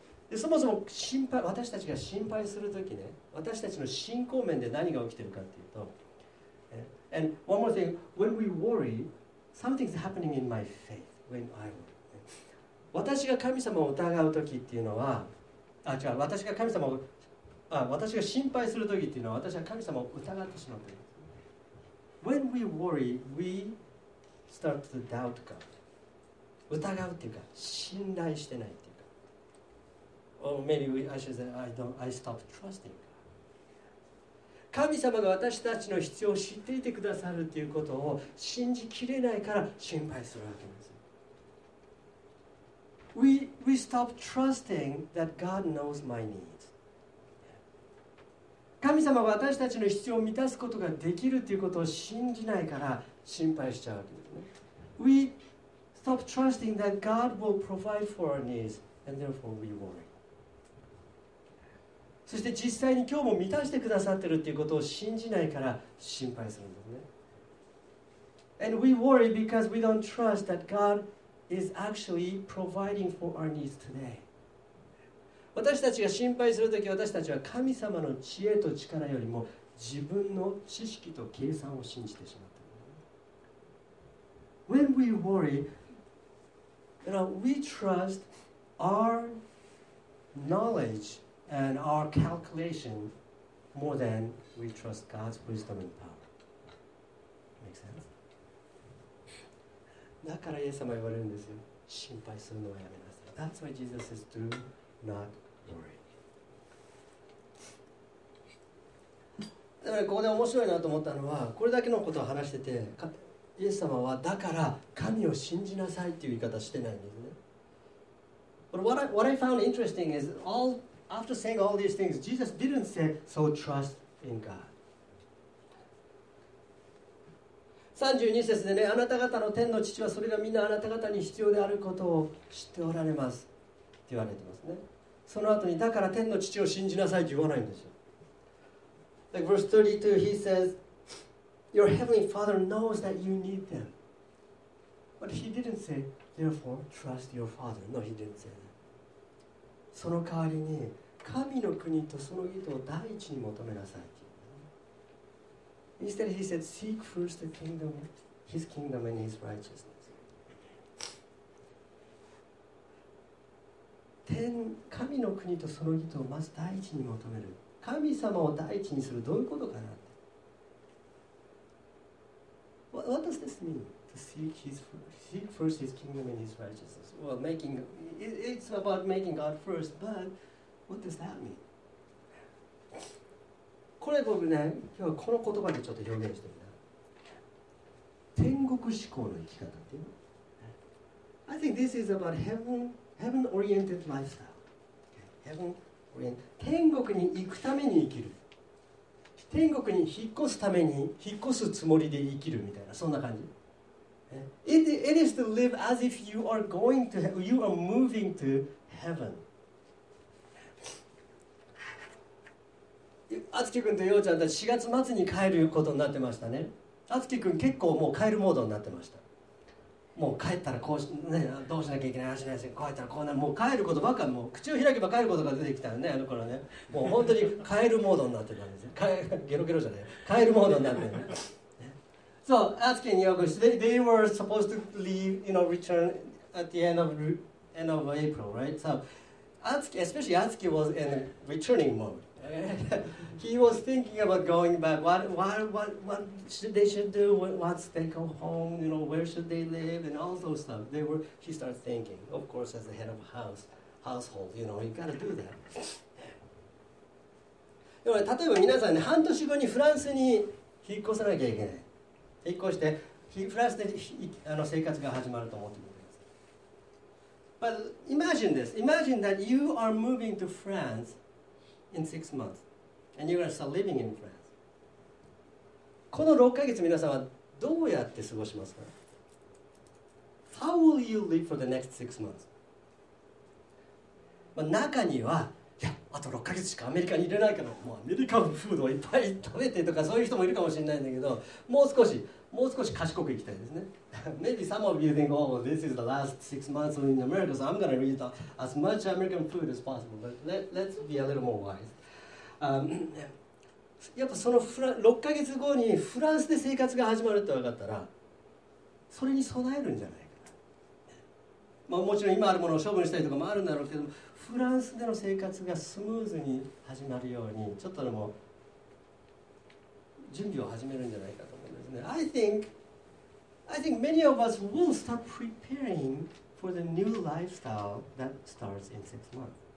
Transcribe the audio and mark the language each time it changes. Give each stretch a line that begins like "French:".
Japanese: で、そもそも心配、私たちが心配するときね、私たちの信仰面で何が起きているかというと、
English: And one more thing, when we worry, something's happening in my faith, when I worry.
Japanese: 私が神様を疑うときっていうのは、私が神様を、私が心配するときっていうのは、私は神様を疑ってしまっている。
English: When we worry, we start to doubt God.
Japanese: 疑うっていうか、信頼してないっていうか。
English: Or maybe I should say, I stop trusting God.
Japanese: 神様が私たちの必要を知っていてくださるということを信じきれないから心配するわけです。
English: We stop trusting that God knows my needs.
Japanese: 神様が私たちの必要を満たすことができるということを信じないから心配しちゃうわけですね。
English: We stop trusting that God will provide for our needs and therefore we worry.
Japanese: そして実際に今日も満たしてくださってるっていうことを信じないから心配するんですね。
English: And we worry because we don't trust that God is actually providing for our needs today.
Japanese: 私たちが心配するとき、私たちは神様の知恵と力よりも自分の知識と計算を信じてしまってる。
English: When we worry, we trust our knowledge. And our calculation more than we trust God's wisdom and power. Make sense?
Japanese: だからイエス様言われるんですよ。心配するのはやめなさい。
English: That's why Jesus says, do not worry.
Japanese: だからここで面白いなと思ったのは、これだけのことを話してて、イエス様はだから神を信じなさいっていう言い方してないんですね。
English: But what I found interesting is allAfter saying all these things, Jesus didn't say, so trust in God.
Japanese: 32節でね、あなた方の天の父はそれがみんなあなた方に必要であることを知っておられますって言われてますね。その後に、だから天の父を信じなさいって言わないんですよ。
English: Like verse 32, he says, Your heavenly father knows that you need them. But he didn't say, therefore trust your father. No, he didn't say that.
Japanese: その代わりに神の国とその義を第一に求めなさいと。
English: Instead, he said, "Seek first the kingdom, His kingdom and His righteousness."
Japanese: 神の国とその義をまず第一に求める。神様を第一にするどういうことかなって。
English: What does this mean? To seek first His kingdom and His righteousness. Well, it's about making God first, but what does that mean?
Japanese: これ僕ね、今日はこの言葉でちょっと表現してみた。天国志向の生き方っていうの。
English: I think this is about heaven-oriented lifestyle. Heaven-oriented.
Japanese: 天国に行くために生きる。天国に引っ越すために引っ越すつもりで生きるみたいな、そんな感じ。
English: It is to live as if you are moving to heaven.
Japanese: あつき君とようちゃんたち4月末に帰ることになってましたね。あつき君結構もう帰るモードになってました。もう帰ったらこうし、ね、どうしなきゃいけない、ああしないし、帰ったらこうなる、もう帰ることばっかり、もう口を開けば帰ることが出てきたよね、あの頃ね。もう本当に帰るモードになってたんですよ。ゲロゲロじゃない、帰るモードになってる、ね。
English: So, asking New Yorkers, they were supposed to leave, you know, return at the end of April, right? So, especially Atsuki was in returning mode. He was thinking about going back. What should they should do? Once they go home, you know, where should they live and all those stuff. He started thinking, of course, as the head of household, you know, you gotta do that.
Japanese: でも例えば皆さんね、半年後にフランスに引っ越さなきゃいけない。引っ越してフランスで生活が始まると思ってください。
English: But imagine this. Imagine that you are moving to France in 6 months and you're going to start living in France.
Japanese: この6ヶ月皆さんはどうやって過ごしますか?
English: How will you live for the next 6 months?
Japanese: まあ、中にはあと6ヶ月しかアメリカにいれないから、もうアメリカンフードをいっぱい食べてとか、そういう人もいるかもしれないんだけど、もう少し賢く行きたいですね。
English: Maybe some of you think, oh, this is the last 6 months in America, so I'm going to eat as much American food as possible. But let's be a little more wise.
Japanese: やっぱその6ヶ月後にフランスで生活が始まるって分かったら、それに備えるんじゃないかな。まあ、もちろん今あるものを処分したりとかもあるんだろうけど、フランスでの生活がスムーズに始まるようにちょっとでも準備を始めるんじゃないかと思うんですね。
English: I think many of us will start preparing for the new lifestyle that starts in 6 months.